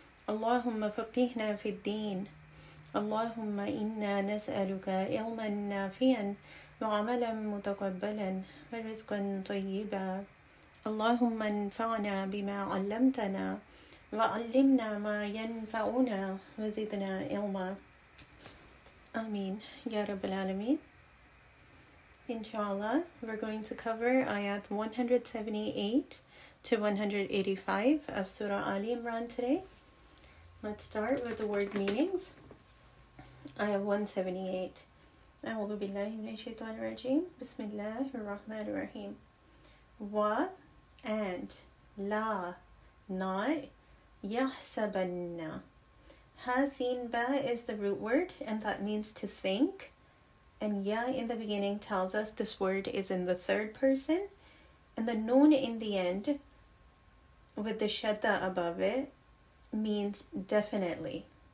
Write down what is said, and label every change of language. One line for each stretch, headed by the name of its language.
Arabic: اللهم فقهنا في الدين. اللهم إنا نسألك علما نافعا وعملا متقبلا ورزقا طيبا. اللهم انفعنا بما علمتنا وعلمنا ما ينفعنا وزدنا علما. آمين يا رب العالمين.
English: Inshallah, we're going to cover ayat 178 to 185 of Surah Ali Imran today. Let's start with the word meanings. Ayat 178.
Arabic: أعوذ بالله من الشيطان الرجيم. بسم الله الرحمن الرحيم. و and لا not يحسبن.
English: حسبا is the root word and that means to think. And ya in the beginning tells us this word is in the third person. And the nun in the end with the shadda above it means definitely.